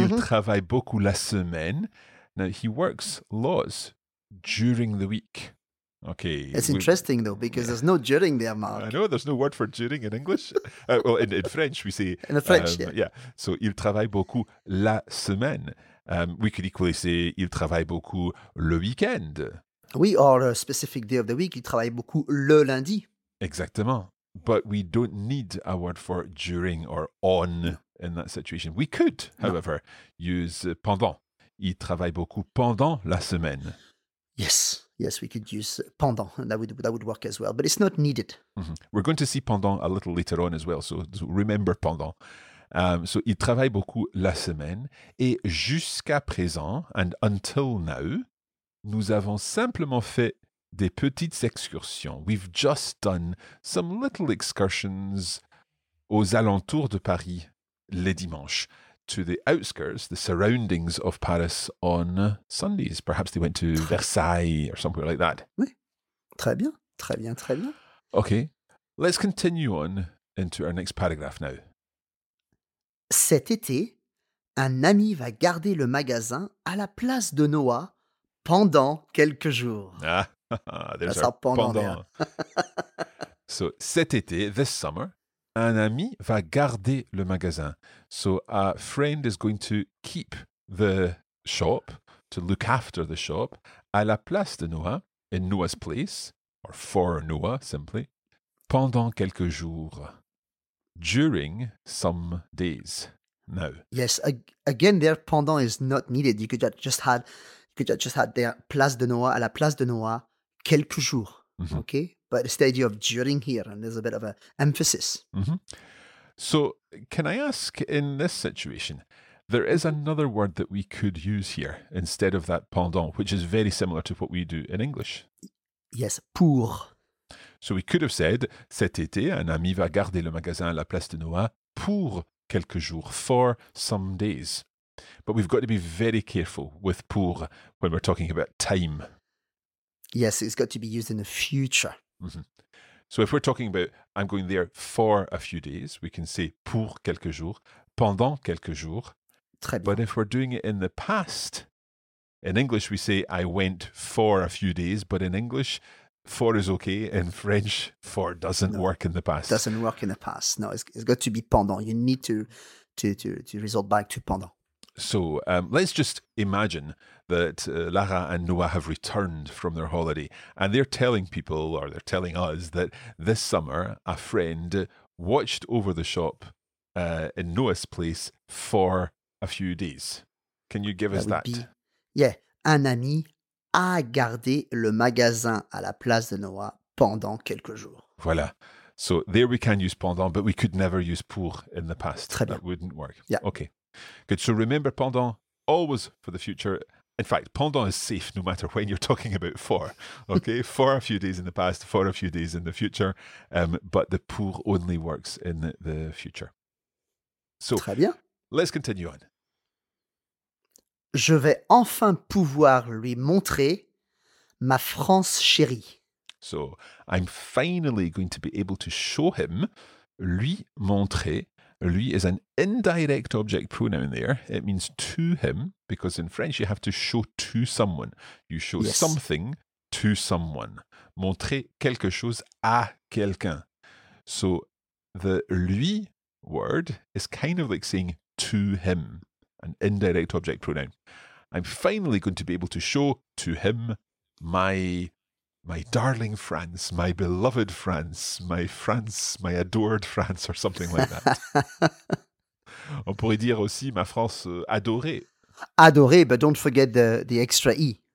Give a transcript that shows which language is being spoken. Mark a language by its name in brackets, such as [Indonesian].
[French] Il travaille beaucoup la semaine. [English] Now, he works lots during the week. Okay. It's interesting though, because there's no during there, Mark. I know, there's no word for during in English. well, in French, we say... In French, yeah. Yeah. So, [French] il travaille beaucoup la semaine. [English] We could equally say, [French] il travaille beaucoup le week-end. Oui, [English] or a specific day of the week, [French] il travaille beaucoup le lundi. Exactement. [English] But we don't need a word for during or on in that situation. We could, however, use pendant. [French] Il travaille beaucoup pendant la semaine. [English] Yes, Yes, we could use pendant. That would work as well, but it's not needed. Mm-hmm. We're going to see pendant a little later on as well, so remember pendant. So [French] il travaille beaucoup la semaine. Et jusqu'à présent, [English] and until now, [French] nous avons simplement fait des petites excursions. [English] We've just done some little excursions [French] aux alentours de Paris les dimanches. [English] To the outskirts, the surroundings of Paris on Sundays. Perhaps they went to Versailles or somewhere like that. [French] Oui. Très bien. Très bien. Très bien. [English] Okay. Let's continue on into our next paragraph now. [French] Cet été, un ami va garder le magasin à la place de Noah pendant quelques jours. [English] Ah, there's our pendant. So, [French] cet été, [English] this summer, [French] un ami va garder le magasin. [English] So, a friend is going to keep the shop, to look after the shop, [French] à la place de Noah, [English] in Noah's place, or for Noah, simply, [French] pendant quelques jours. [English] During some days. Now. Yes, again, there pendant is not needed. You could just have there [French] place de Noah, à la place de Noah, quelques jours. [English] Mm-hmm. Okay? But it's the idea of during here, and there's a bit of an emphasis. Mm-hmm. So, can I ask in this situation, there is another word that we could use here instead of that pendant, which is very similar to what we do in English. Yes, pour. So we could have said, [French] cet été, un ami va garder le magasin à la place de Noah pour quelques jours, [English] for some days. But we've got to be very careful with pour when we're talking about time. Yes, it's got to be used in the future. Mm-hmm. So if we're talking about, I'm going there for a few days, we can say [French] pour quelques jours, pendant quelques jours. Très bien. [English] But if we're doing it in the past, in English we say, I went for a few days, but in English, for is okay. In French, for doesn't no, work in the past. Doesn't work in the past. No, it's got to be pendant. You need to resort back to pendant. So let's just imagine that Lara and Noah have returned from their holiday and they're telling people, or they're telling us, that this summer a friend watched over the shop in Noah's place for a few days. Can you give that us that? [French] Un ami a gardé le magasin à la place de Noah pendant quelques jours. [English] Voilà. So there we can use pendant, but we could never use pour in the past. [French] Très bien. [English] That wouldn't work. Yeah. Okay. Good. So remember pendant, always for the future. In fact, pendant is safe no matter when you're talking about for. Okay. For a few days in the past, for a few days in the future. But the pour only works in the future. So, [French] très bien. [English] Let's continue on. [French] Je vais enfin pouvoir lui montrer ma France chérie. [English] So, I'm finally going to be able to show him, [French] lui montrer. [English] Lui is an indirect object pronoun there. It means to him, because in French you have to show to someone. You show yes. something to someone. [French] Montrer quelque chose à quelqu'un. [English] So, the lui word is kind of like saying to him. An indirect object pronoun. I'm finally going to be able to show to him my darling France, my beloved France, my adored France, or something like that. [French] On pourrait dire aussi ma France adorée. [English] Adorée, but don't forget the extra E.